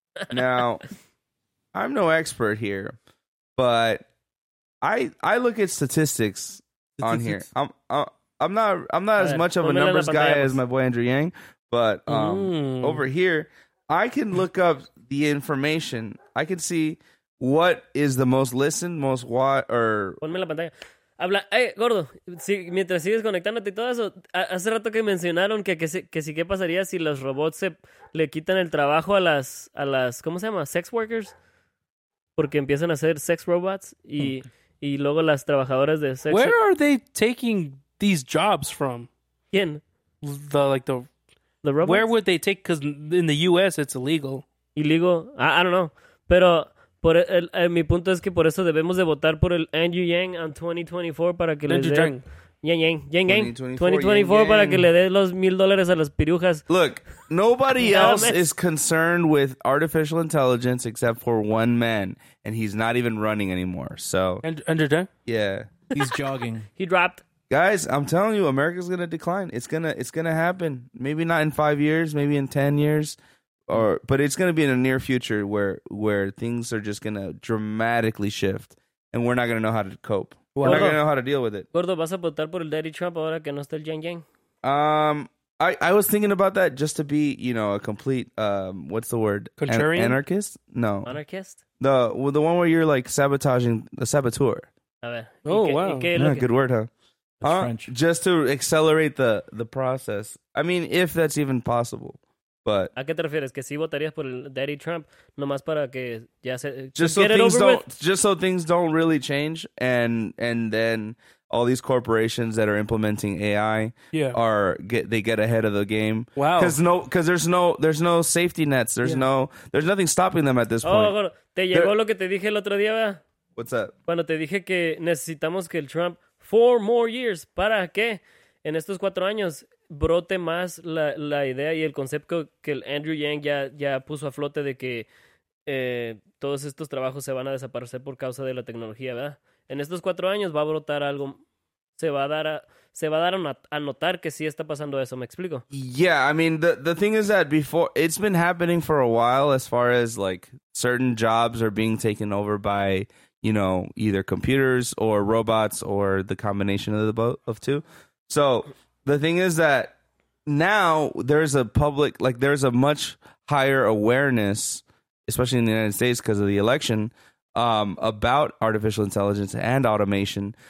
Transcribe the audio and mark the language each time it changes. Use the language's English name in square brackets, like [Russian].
[English] Now, I'm no expert here, but I look at statistics on here. I'm not as much of a numbers guy as my boy Andrew Yang, but over here, I can look up the information. I can see what is the most listened, most watched, or... [Spanish] Ponme la pantalla. Habla, hey, gordo, si, mientras sigues conectándote y todo eso, hace rato que mencionaron que qué pasaría si los robots le quitan el trabajo a las, ¿cómo se llama? [English] Sex workers, [Spanish] porque empiezan a ser sex robots, y luego las trabajadoras de sex... [English] Where are they taking these jobs from? [Spanish] ¿Quién? [English] The robots? Where would they take, because in the U.S. it's illegal. Illegal? I don't know. [Spanish] Pero por el mi punto es que por eso debemos de votar por el Andrew Yang en 2024 para que le dé... [English] Yang. [Spanish] 2024 para que le dé los $1,000 a las pirujas. [English] Look, nobody else is concerned with artificial intelligence except for one man, and he's not even running anymore, so... Andrew Yang? Yeah. He's jogging. He dropped... Guys, I'm telling you, America's gonna decline. It's gonna happen. Maybe not in 5 years, maybe in 10 years, but it's gonna be in the near future where things are just gonna dramatically shift, and we're not gonna know how to cope. We're not gonna know how to deal with it. [Spanish] Gordo, ¿vas a votar por el Daddy Trump ahora que no está el Yang Yang? [English] I was thinking about that just to be, you know, a complete what's the word? Contrarian? Anarchist? No. Anarchist? The one where you're like sabotaging a saboteur. [Spanish] A ver. [English] Oh, wow. Yeah, good word, huh? French. Just to accelerate the process. I mean, if that's even possible. But [Spanish] ¿a qué te refieres? ¿Que si votarías por el Daddy Trump nomás para que ya se [English] just so things don't really change and then all these corporations that are implementing AI get ahead of the game. Wow. Cuz there's no safety nets. There's nothing stopping them at this point. [Spanish] Oh, te llegó lo que te dije el otro día, ¿verdad? [English] What's that? [Spanish] Cuando te dije que necesitamos que el Trump [English] 4 more years. [Spanish] ¿Para qué? En estos 4 años brote más la idea y el concepto que el Andrew Yang ya puso a flote de que todos estos trabajos se van a desaparecer por causa de la tecnología, ¿verdad? En estos 4 años va a brotar algo. Se va a notar que sí está pasando eso. ¿Me explico? [English] Yeah, I mean, the thing is that before, it's been happening for a while as far as like certain jobs are being taken over by, you know, either computers or robots or the combination of two. So the thing is that now there's a public, like there's a much higher awareness, especially in the United States because of the election, about artificial intelligence and automation.